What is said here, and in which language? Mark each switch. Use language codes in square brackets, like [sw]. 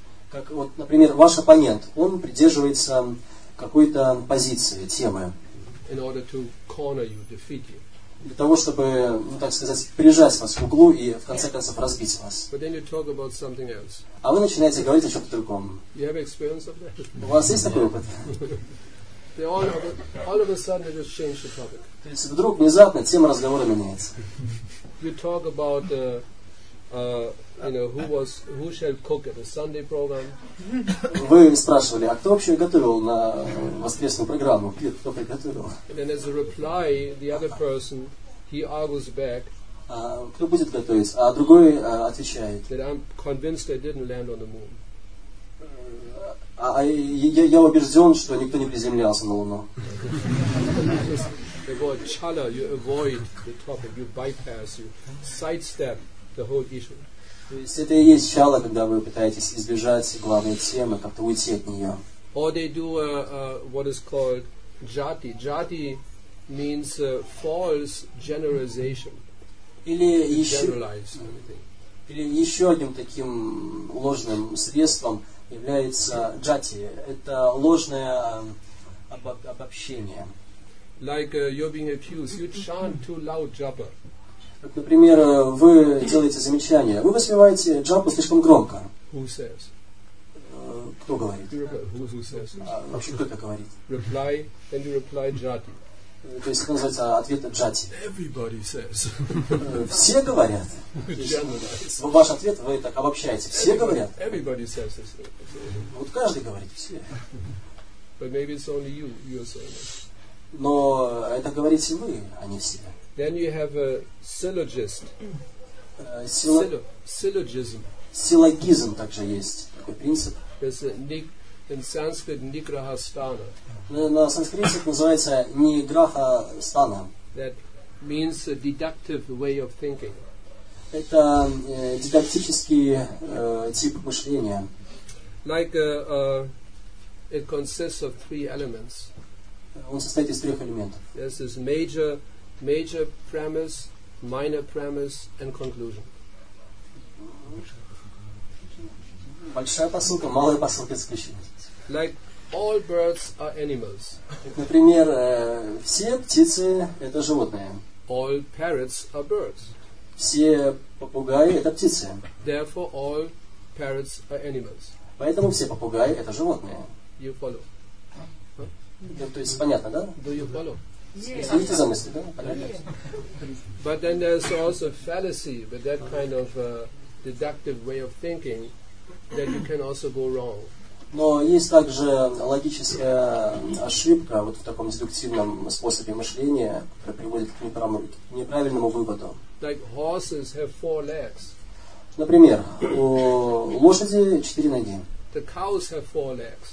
[ru] Как вот, например, ваш оппонент, он придерживается какой-то позиции, темы. [en] In order to corner you, defeat you. [ru] Для того, чтобы, ну, так сказать, прижать вас в углу и в конце концов разбить вас. [en] But then you talk about something else. [ru] А вы начинаете говорить о чем-то другом. [en] You have experience of that? [ru] У вас есть такой опыт? [en] All of a sudden it has changed the topic. [ru] То есть вдруг внезапно тема разговора меняется. [en] You talk about who shall cook at the Sunday program. [ru] Вы спрашивали, а кто вообще готовил на воскресную программу? Кто приготовил? [en] And then as a reply, the other person, he argues back. [ru] Кто будет готовить? А другой отвечает. [en] That I'm convinced they didn't land on the moon. [ru] Я убежден, что никто не приземлялся на Луну. [en] The word chala, you avoid the topic, you bypass, you sidestep the whole issue. [ru] То есть это и есть чала, когда вы пытаетесь избежать главной темы, как-то уйти от нее. [en] Or they do what is called jati. Jati means false generalization. [ru] Или еще одним таким ложным средством является jati. Это ложное обобщение. [en] Like you're being accused, you chant too loud, japa. [ru] Например, вы делаете замечание. Вы воспеваете джапу слишком громко. [en] Who says? [ru] Кто говорит? [en] Who says? [ru] Вообще кто это говорит? [en] Reply, then you reply jati. [ru] То есть это называется ответ jati. [en] Everybody says. [ru] Все говорят. [en] Generalize. [ru] Ваш ответ вы так обобщаете. Все говорят. [en] Everybody says. [ru] Вот каждый говорит. Все. [en] But maybe it's only you are saying it. [ru] Но это говорите вы, а не все. [en] Then you have a syllogist. Syllogism. [ru] Силлогизм также есть такой принцип. [en] In Sanskrit nigraha sthana. [ru] На санскрите называется nigraha sthana. [en] That means a deductive way of thinking. [ru] Это дидактический тип мышления. [en] Like it consists of three elements. [ru] Он состоит из трех элементов. [en] There's this major premise, minor premise, and conclusion. [ru] Большая посылка, малая посылка, исключение. [en] Like all birds are animals. [ru] Например, все птицы это животные. [en] All parrots are birds. [ru] Все попугаи это птицы. [en] Therefore, all parrots are animals. [ru] Поэтому все попугаи это животные. [en] You follow? [ru] То есть понятно, да? [en] Do you follow? Yes. [ru] Следите за мыслью, да? Понятно? Yes. [en] But then there's also fallacy with that kind of deductive way of thinking that you can also go wrong. [ru] Но есть также логическая ошибка вот в таком дедуктивном способе мышления, которая приводит к неправильному выводу. [en] Like horses have four legs. [ru] Например, у лошади четыре ноги. [en] The cows have four legs.